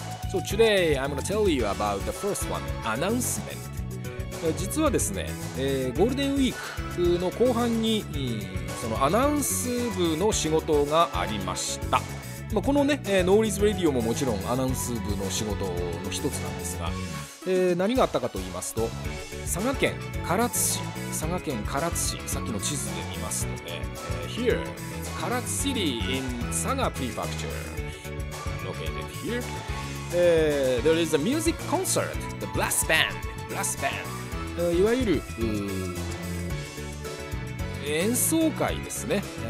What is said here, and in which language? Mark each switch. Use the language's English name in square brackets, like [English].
[English] So today I'm going to tell you about the first one, announcement. [Japanese] 実はですね、ゴールデンウィークの後半に、そのアナウンス部の仕事がありました。まあ、このね、ノーリーズラジオももちろんアナウンス部の仕事の一つなんですが、何があったかと言いますと、佐賀県唐津市、さっきの地図で見ますとね、 [English] Here, 唐津 City in 佐賀 Prefecture, located here. there is a music concert, the Brass Band. Brass Band. [Japanese] いわゆる演奏会ですね。